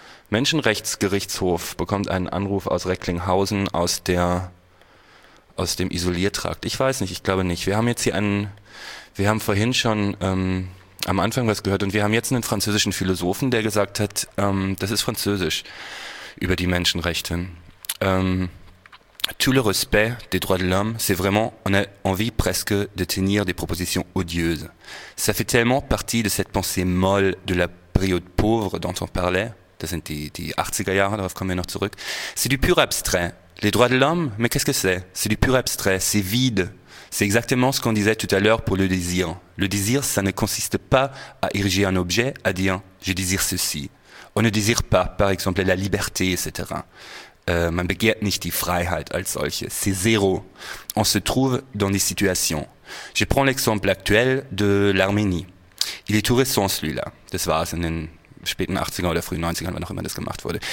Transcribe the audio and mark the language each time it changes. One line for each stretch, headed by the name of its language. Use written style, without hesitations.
German: Menschenrechtsgerichtshof bekommt einen Anruf aus Recklinghausen aus dem Isoliertrakt. Ich weiß nicht, ich glaube nicht. Wir haben vorhin schon am Anfang was gehört und wir haben jetzt einen französischen Philosophen, der gesagt hat, das ist französisch über die Menschenrechte.
French: Tout le respect des droits de l'homme, c'est vraiment, on a envie presque de tenir des propositions odieuses. Ça fait tellement partie de cette pensée molle de la période pauvre dont on parlait.
German: Das sind die 80er Jahre, darauf kommen wir noch zurück.
French: C'est du pur abstrait. Les droits de l'homme, mais qu'est-ce que c'est? C'est du pur abstrait, c'est vide. C'est exactement ce qu'on disait tout à l'heure pour le désir. Le désir, ça ne consiste pas à ériger un objet, à dire « je désire ceci ». On ne désire pas, par exemple, la liberté, etc.
German: Man begehrt nicht die Freiheit als solche.
French: C'est zéro. On se trouve dans des situations. Je prends l'exemple actuel de l'Arménie. Il est tout récent, celui-là.
German: Das war es in den späten 80er oder frühen 90er, wann auch immer das gemacht wurde.